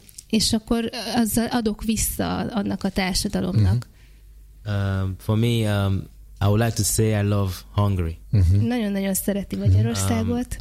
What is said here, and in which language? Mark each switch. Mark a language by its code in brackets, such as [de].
[hu] És akkor azzal adok vissza annak a társadalomnak. [en] For me, I would like to say I love Hungary. [hu] Nagyon-nagyon szereti Magyarországot.